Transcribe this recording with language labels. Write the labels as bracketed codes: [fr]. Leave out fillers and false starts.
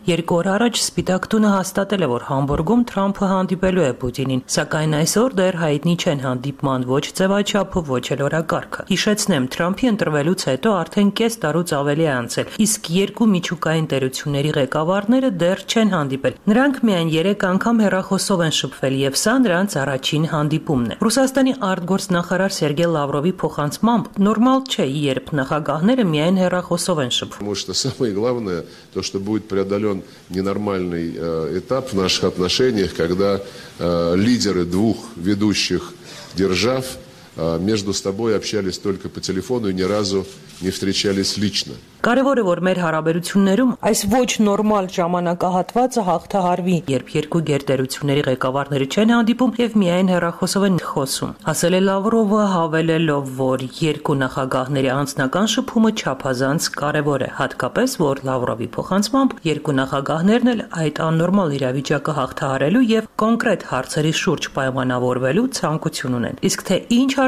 [hy] Երկու օր առաջ Սպիտակ տունը հաստատել է, որ Համբուրգում Թրամփը հանդիպելու է Պուտինին, սակայն այսօր դեռ հայտնի չեն հանդիպման ոչ ձևաչափը, ոչ էլ օրակարգը։ Հիշեցնեմ, Թրամփի ընտրվելուց հետո արդեն կես տարուց ավելի է անցել, իսկ երկու միջուկային տերությունների ղեկավարները դեռ չեն հանդիպել։ Նրանք միայն 3 անգամ հեռախոսով են շփվել եւ սա նրանց առաջին հանդիպումն է։ Ռուսաստանի արտգործնախարար Սերգե Լավրովի փոխանցմամբ նորմալ չէ, երբ նախագահները միայն հեռախոսով են շփվում։ [ru] Потому что самое главное то, что будет преодолён ненормальный этап в наших отношениях, когда лидеры двух ведущих держав между собой общались только по телефону и ни разу не встречались лично. [hy] Կարևոր է, որ մեր հարաբերություններում այս ոչ նորմալ ժամանակահատվածը հաղթահարվի, երբ երկու գերտերությունների ղեկավարները չեն հանդիպում եւ միայն հեռախոսով են խոսում, ասել է Լավրովը, հավելելով, որ երկու նախագահների անձնական շփումը չափազանց կարևոր է, հատկապես որ Լավրովի փոխանցմամբ երկու նախագահներն էլ այդ աննորմալ իրավիճակը հաղթահարելու եւ կոնկրետ հարցերի շուրջ պայմանավորվելու ցանկություն ունեն։ Իսկ թե ինչ